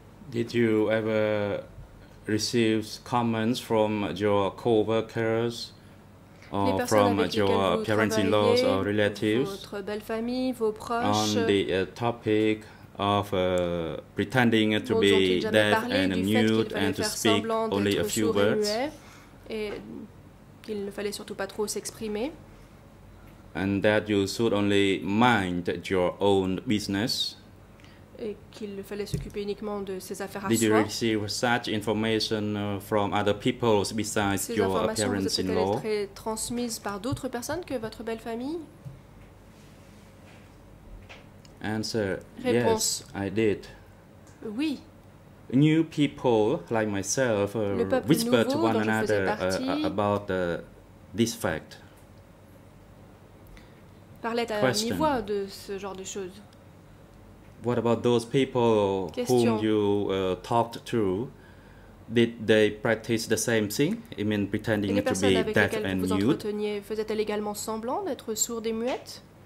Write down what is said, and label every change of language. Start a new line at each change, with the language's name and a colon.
English: Did you ever receive comments from your co-workers or from your parents-in-law or relatives
French: votre belle famille, vos proches,
English: on the topic of pretending to be deaf and mute and to speak only a few words
French: et qu'il ne fallait surtout pas trop s'exprimer?
English: And that you should only mind your own business?
French: Et qu'il fallait s'occuper uniquement de ses affaires à
English: did
French: soi.
English: Did you receive such information from other people besides
French: ces
English: your parents-in-law?
French: Ces informations vous étaient-elles transmises par d'autres personnes que votre belle famille?
English: Answer.
French: Réponse.
English: Yes, I did.
French: Oui.
English: New people like myself whispered to one another about this fact.
French: parlait à mi-voix de ce genre de choses.
English: What about those people whom you talked to? Did they practice the same thing? I mean, pretending to be deaf and mute.
French: Faisait-elle également semblant d'être sourde et muette?